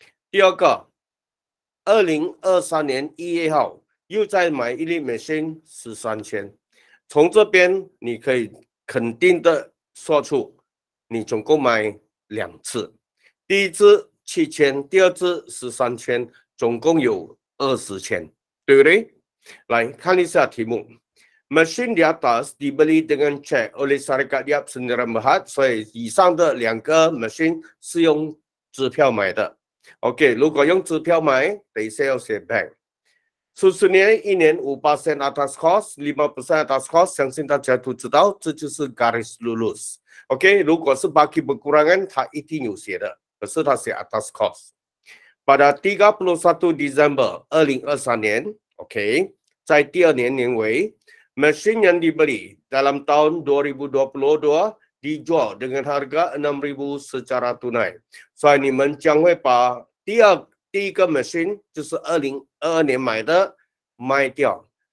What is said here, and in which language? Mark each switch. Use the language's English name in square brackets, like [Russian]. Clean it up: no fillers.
[Chinese] 第二个，2023年1月1号又再买一粒 machine 13000。从这边你可以肯定的说出，你总共买两次。第一次7000，第二次13000，总共有20000，对不对？来看一下题目 ， [Malay] machine di atas dibeli dengan cek oleh syarikat Yap Sdn Bhd， [Chinese] 所以以上的两个 machine 是用支票买的。 OK， 如果用支票买，等一下要写 bank。 Susunan 1年5% atas cost， 5% atas cost， 相信大家都知道，这就是 garis lulus。 OK， 如果是 baki berkurangan， 它一定有写的。可是他写 atas cost， pada 31 December 2023年 ，OK， 在第二年年尾 ， [Malay] machine yang dibeli dalam tahun 2022 dijual dengan harga 6000 secara tunai， [Chinese] 所以你们将会把第一个 machine 就是2022年买的卖掉，